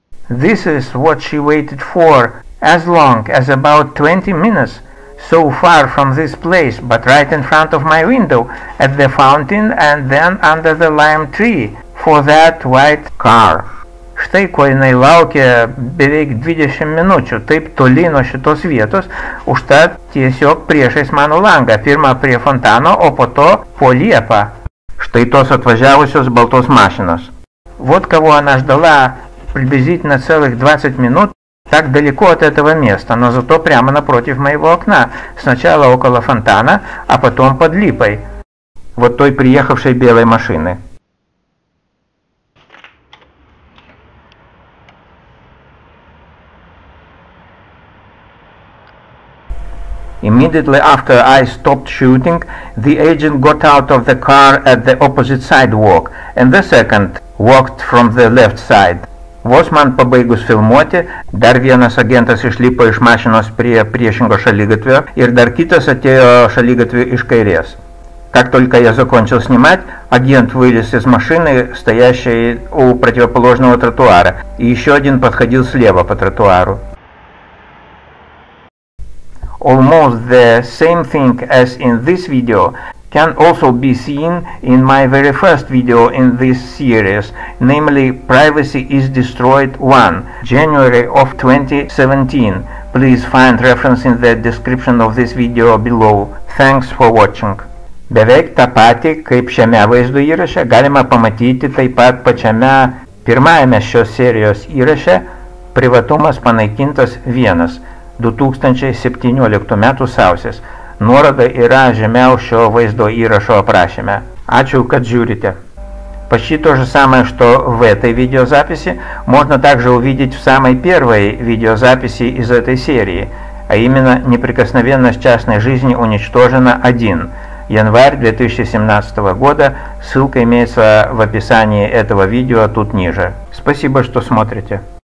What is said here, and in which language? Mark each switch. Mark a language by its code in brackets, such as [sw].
[en] This is what she waited for, as long as about 20 minutes, so far from this place, but right in front of my window, at the fountain and then under the lime tree, for that white car. [lt] Štai ko jinai laukė beveik 20 minučių, taip toli nuo šitos vietos, užtat tiesiog priešais mano langą, pirmą prie fontano, o po to po liepą. Štai tos atvažiavusios baltos mašinos. [ru] Вот кого она ждала приблизительно целых 20 минут, так далеко от этого места, но зато прямо напротив моего окна, сначала около фонтана, а потом под липой, вот той приехавшей белой машины. [en] Immediately after I stopped shooting, the agent got out of the car at the opposite sidewalk, and the second walked from the left side. [lt] Vos man pabaigus filmuoti, dar vienas agentas išlipo iš mašinos prie priešingo šaligatvio, ir dar kitas atėjo šaligatvio iš kairės. [ru] Как только я закончил снимать, агент вылез из машины, стоящей у противоположного тротуара, и еще один подходил слева по тротуару. [en] Almost the same thing as in this video can also be seen in my very first video in this series, namely Privacy is Destroyed 1, January of 2017. Please find reference in the description of this video below. Thanks for watching. [lt] Beveik tą patį, kaip šiame vaizdo įraše, galima pamatyti taip pat pačiame pirmajame šios serijos įraše privatumas panaikintas vienas. 2017 metų sausis. Nuoroda yra žemiau šio vaizdo įrašo aprašyme. Ačiū, kad žiūrite. [ru] По то же самое, что в этой видеозаписи, можно также увидеть в самой первой видеозаписи из этой серии, а именно «Неприкосновенность частной жизни уничтожена 1. Январь 2017 года». Ссылка имеется в описании этого видео тут ниже. Спасибо, что смотрите.